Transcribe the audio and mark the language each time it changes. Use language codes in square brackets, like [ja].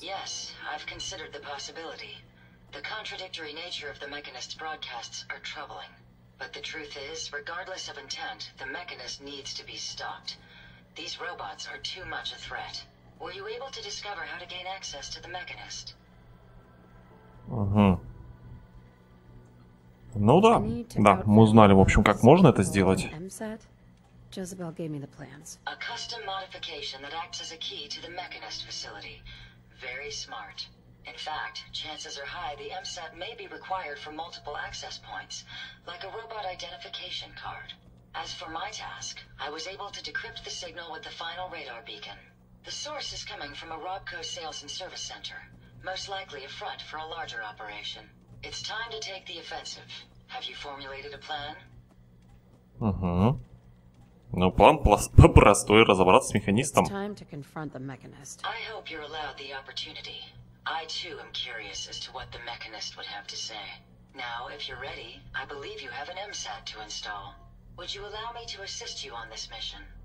[en] Yes, I've considered the possibility. The contradictory nature of the mechanist's broadcasts are troubling. But the truth is, regardless of intent, the mechanist needs to be stopped. These robots are too much a threat. Were you able to discover how to gain access to the mechanist? [ru] Ну да. Да, мы узнали, в общем, как можно это сделать. [en] Jezebel gave me the plans. A custom modification that acts as a key to the mechanist facility. Very smart. In fact, chances are high the MSAT may be required for multiple access points, like a robot identification card. As for my task, I was able to decrypt the signal with the final radar beacon. The source is coming from a Robco sales and service center, most likely a front for a larger operation. It's time to take the offensive. Have you formulated a plan? [ru] Ну, план простой, разобраться с механистом. [en] It's time to confront the mechanist. I hope you're allowed the opportunity. I too am curious as to what the mechanist would have to say. Now, if you're ready, I believe you have an MSAT to install. Would you allow me to assist you on this mission?